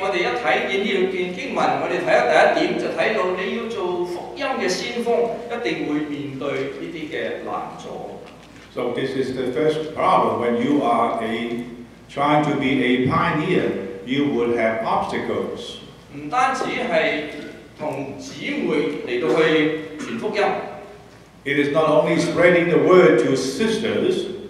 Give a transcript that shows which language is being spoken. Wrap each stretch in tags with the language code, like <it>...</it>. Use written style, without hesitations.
<en>So this is the first problem. When you are trying to be a pioneer, you will have obstacles.</en> <zh>不单只是同姊妹来到去传福音,</zh> <en>it is not only spreading the word to sisters,</en>